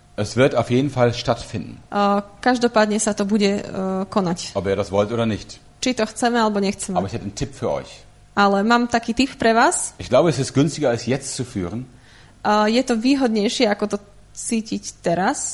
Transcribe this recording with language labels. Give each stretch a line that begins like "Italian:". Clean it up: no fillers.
German: Es wird auf jeden Fall stattfinden.
Slovak: Každopádne sa to bude konať.
German: Ob ihr das wollt oder nicht.
Slovak: Či to chceme alebo nechceme.
German: Aber ich hätte einen Tipp für euch.
Slovak: Ale mám taký tip pre vás.
German: Ich glaube, es ist günstiger, es jetzt zu führen.
Slovak: Je to výhodnejšie, ako to cítiť teraz.